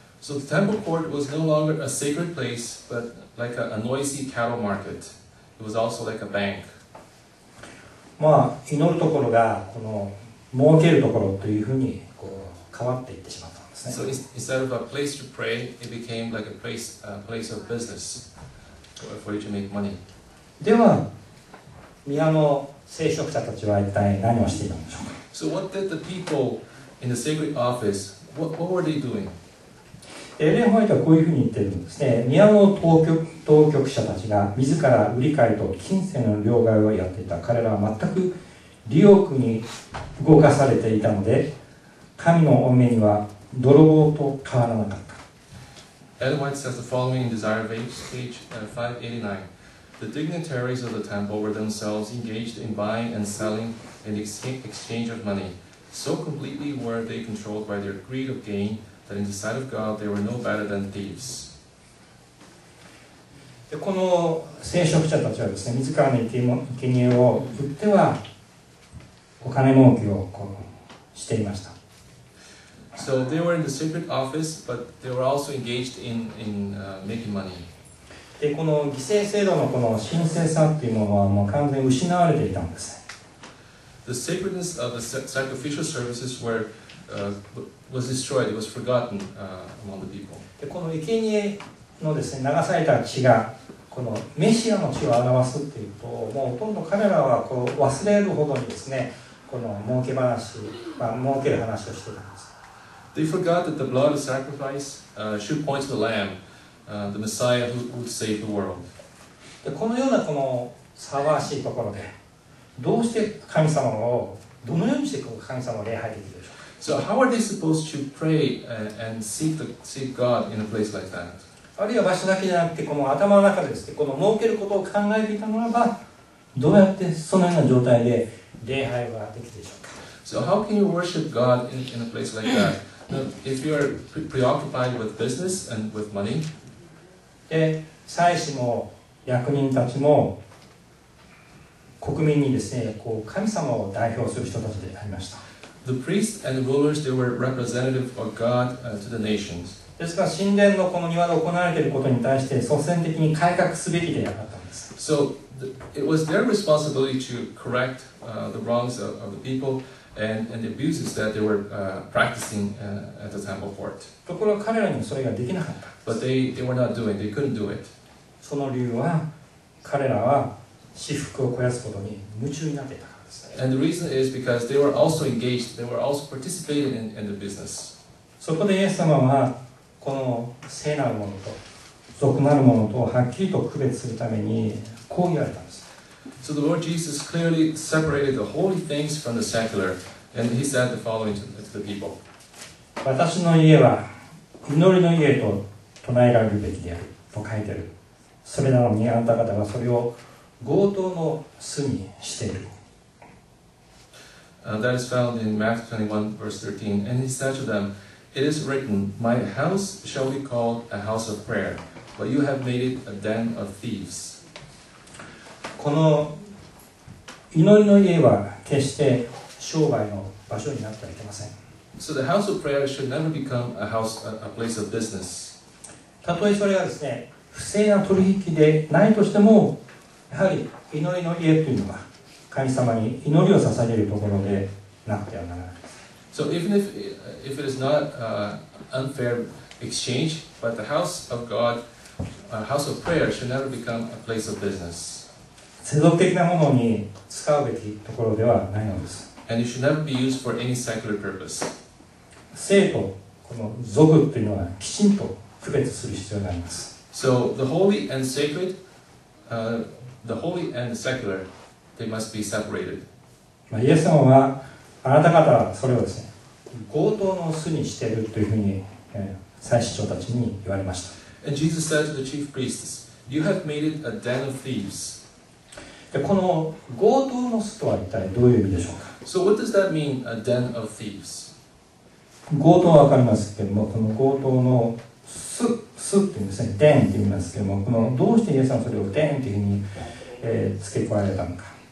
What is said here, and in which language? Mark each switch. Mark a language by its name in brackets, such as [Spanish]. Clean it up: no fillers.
[English] So the temple court was no longer a sacred place but like a noisy cattle market. It was also like a bank. [Japanese] まあ祈るところがこの儲けるところというふうにこう変わっていってしまった。 [English] So instead of a place to pray, it became like a place of business for you to make money. [Japanese] では、宮の聖職者たちは一体何をしていたんでしょうか。 [English] So what did the people in the sacred office, what were they doing? [Japanese] エレン・ホワイトはこういうふうに言ってるんですね。宮の当局者たちが自ら売り買いと金銭の両替をやっていた。彼らは全く利欲に動かされていたので、神の御目には泥棒と変わらなかった。 [English] Ellen White says the following in Desire of Ages, page 589. The dignitaries of the temple were themselves engaged in buying and selling and exchange of money. So completely were they controlled by their greed of gain that in the sight of God they were no better than thieves. [Japanese] でこの聖職者たちはですね、自らの生贄を売ってはお金儲けをこうしていました。 [English] So they were in the secret office, but they were also engaged in making money. [Japanese] で、この犠牲制度のこの神聖さっていうものはもう完全に失われていたんです。 [English] The sacredness of the sacrificial services was destroyed. It was forgotten among the people. [Japanese] で、この生贄のですね、流された血がこのメシアの血を表すっていうと、もうほとんど彼らはこう忘れるほどにですね、この儲け話、まあ、儲ける話をしてたんです。 [English] They forgot that the blood of sacrifice should point to the Lamb, the Messiah who would save the world. [Japanese] で、このようなこの騒がしいところで、どうして神様を、どのようにしてこう神様を礼拝できるでしょうか。 [English] So how are they supposed to pray and seek God in a place like that? [Japanese] あるいは場所だけじゃなくてこの頭の中ですね、この儲けることを考えていたならば、どうやってそのような状態で礼拝はできるでしょうか。 [English] So how can you worship God in a place like that? If you are preoccupied with business and with money? [Japanese] で、祭司も役人たちも国民にですね、こう神様を代表する人たちでありました。 [English] The priests and the rulers, they were representative of God to the nations. [Japanese] ですから神殿のこの庭で行われていることに対して率先的に改革すべきでなかったんです。 [English] So it was their responsibility to correct the wrongs of the people and the abuses that they were practicing at the temple court. [Japanese] ところが彼らにそれができなかった。 [English] But they were not doing. They couldn't do it. [Japanese] その理由は彼らは私腹を肥やすことに夢中になっていた。 [English] And the reason is because they were also engaged, they were also participating in the business. [Japanese] そこでイエス様はこの聖なるものと俗なるものとはっきりと区別するためにこう言われたんです。 [English] So the Lord Jesus clearly separated the holy things from the secular, and he said the following to the people. [Japanese] 私の家は祈りの家と唱えられるべきであると書いてある。それなのにあんた方がそれを強盗の巣にしている。 [English] That is found in Matthew 21, verse 13. And he said to them, It is written, My house shall be called a house of prayer, but you have made it a den of thieves. [Japanese] この祈りの家は決して商売の場所になってはいけません。 [English] So the house of prayer should never become a house, a place of business. [Japanese] たとえそれがですね、不正な取引でないとしても、やはり祈りの家というのは、神様に祈りを捧げるところでなくてはならない。 [English] So even if it is not unfair exchange, but the house of God, a house of prayer should never become a place of business. [Japanese] 世俗的なものに使うべきところではないのです。 [English] And it should never be used for any secular purpose. [Japanese] 聖とこの俗というのはきちんと区別する必要があります。 [English] So the holy and sacred, the holy and the secular. They must be separated. [Japanese] イエス様はあなた方はそれをですね、強盗の巣にしているというふうに、祭司長たちに言われました。 [English] And Jesus said to the chief priests, You have made it a den of thieves. [Japanese] で、この強盗の巣とは一体どういう意味でしょうか。 [English] So what does that mean, a den of thieves? [Japanese] 強盗はわかりますけれども、この強盗の巣っていうんですね、den って言いますけれども、このどうしてイエス様はそれを den っていうふうに、付け加えられたのか。